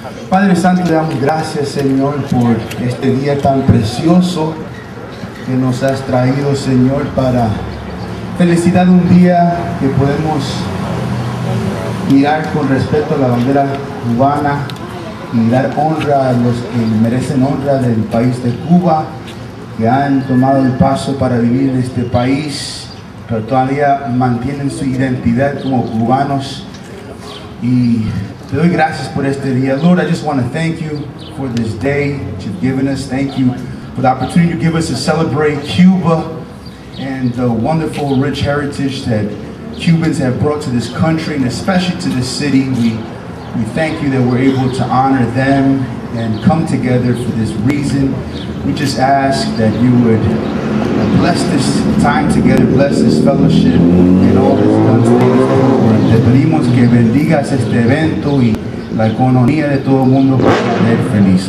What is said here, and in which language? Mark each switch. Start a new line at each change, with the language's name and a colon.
Spanish: Padre Santo, le damos gracias, Señor, por este día tan precioso que nos has traído, Señor, para felicidad, un día que podemos mirar con respeto a la bandera cubana y dar honra a los que merecen honra del país de Cuba, que han tomado el paso para vivir en este país, pero todavía mantienen su identidad como cubanos. Y te doy gracias por este día.
English: Lord, I just want to thank you for this day that you've given us. Thank you for the opportunity you give us to celebrate Cuba and the wonderful, rich heritage that Cubans have brought to this country and especially to this city. We thank you that we're able to honor them and come together for this reason. We just ask that you would bless this time together, bless this fellowship and all that's done together.
Spanish: Te pedimos que bendigas este evento y la economía de todo el mundo para ser feliz.